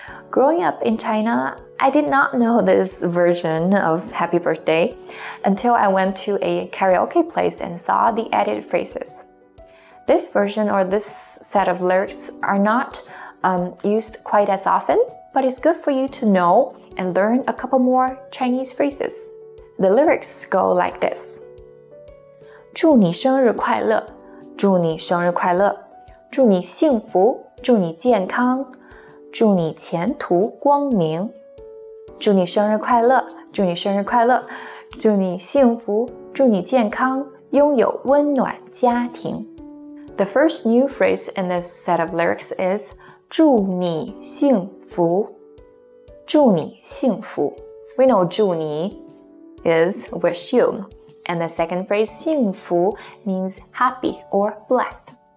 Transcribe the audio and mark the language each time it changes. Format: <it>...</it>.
<en>Growing up in China, I did not know this version of Happy Birthday until I went to a karaoke place and saw the added phrases. This version or this set of lyrics are not used quite as often, but it's good for you to know and learn a couple more Chinese phrases. The lyrics go like this.</en> <zh>祝你生日快乐祝你生日快乐祝你幸福祝你健康祝你前途光明祝你生日快乐祝你生日快乐祝你幸福祝你健康拥有温暖家庭</zh> <en>The first new phrase in this set of lyrics is</en> <zh>祝你幸福祝你幸福</zh> <en>We know 祝你 is wish you and the second phrase 幸福 means happy or blessed</en>